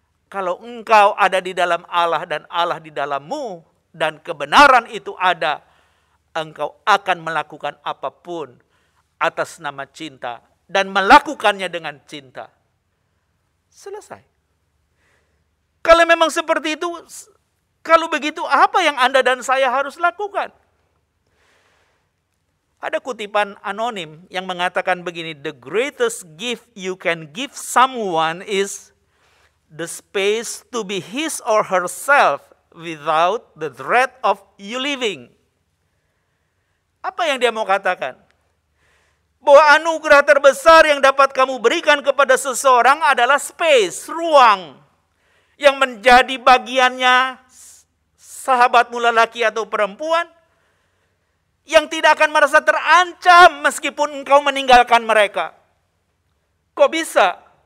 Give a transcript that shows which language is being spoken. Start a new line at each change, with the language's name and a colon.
Indonesian: Kalau engkau ada di dalam Allah dan Allah di dalammu, dan kebenaran itu ada, engkau akan melakukan apapun atas nama cinta, dan melakukannya dengan cinta. Selesai. Kalau memang seperti itu, kalau begitu apa yang Anda dan saya harus lakukan? Ada kutipan anonim yang mengatakan begini,
English: "The greatest gift you can give someone is the space to be his or herself without the threat of you leaving."
Indonesian: Apa yang dia mau katakan? Bahwa anugerah terbesar yang dapat kamu berikan kepada seseorang adalah space, ruang yang menjadi bagiannya sahabatmu lelaki atau perempuan yang tidak akan merasa terancam meskipun engkau meninggalkan mereka. Kok bisa?